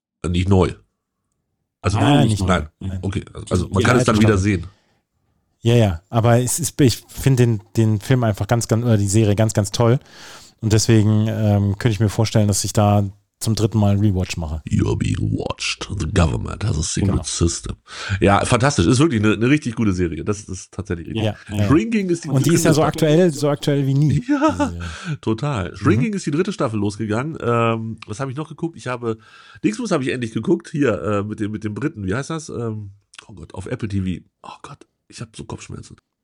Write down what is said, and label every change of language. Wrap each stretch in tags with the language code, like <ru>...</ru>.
<de>Nicht neu. Also nein, nicht neu. Nein. Okay, also man kann es dann wieder sehen. Ja, ja. Aber ich finde den Film einfach ganz, ganz, oder die Serie ganz, ganz toll. Und deswegen könnte ich mir vorstellen, dass ich da zum dritten Mal einen Rewatch mache.</de> <en>You're being watched. The government has a secret system.</en> <de>Ja, fantastisch. Ist wirklich eine richtig gute Serie. Das ist tatsächlich richtig. Ja, Shrinking ja. ist die Und die ist ja so aktuell wie nie. Ja, total. Shrinking ist die dritte Staffel losgegangen. Was habe ich noch geguckt? Dingsbums habe ich endlich geguckt. Hier, mit dem Briten. Wie heißt das? Oh Gott, auf Apple TV. Oh Gott, ich habe so Kopfschmerzen.</de>